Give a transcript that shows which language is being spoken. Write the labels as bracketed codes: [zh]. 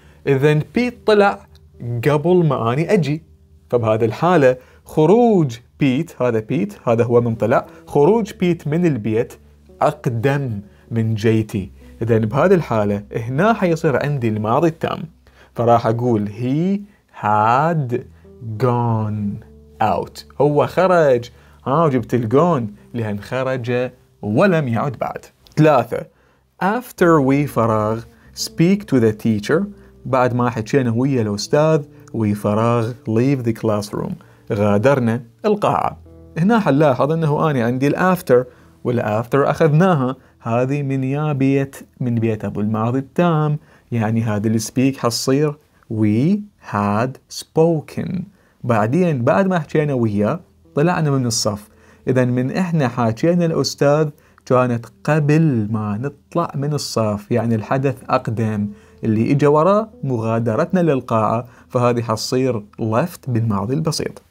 [ar] إذن بيت طلع قبل ما أني أجي، فبهذه الحالة خروج بيت، هذا بيت، هذا هو من طلع، خروج بيت من البيت أقدم من جيتي، إذن بهذه الحالة هنا حيصير عندي الماضي التام، فراح أقول [en] he had gone out، [ar] هو خرج. جبت الجون لأن خرج ولم يعد بعد. 3. [en] After we فراغ speak to the teacher، [ar] بعد ما حكينا ويا الأستاذ، [en] we فراغ leave the classroom، [ar] غادرنا القاعة. هنا حنلاحظ أنه أنا عندي الـ after، والـ after أخذناها، هذه من يا بيت، من بيت أبو الماضي التام، يعني هذا الـ speak حصير [en] we had spoken. [ar] بعدين بعد ما حكينا ويا طلعنا من الصف، إذن من إحنا حاكينا الأستاذ كانت قبل ما نطلع من الصف، يعني الحدث أقدم، اللي إجا وراء مغادرتنا للقاعة، فهذه حصير left بالماضي البسيط.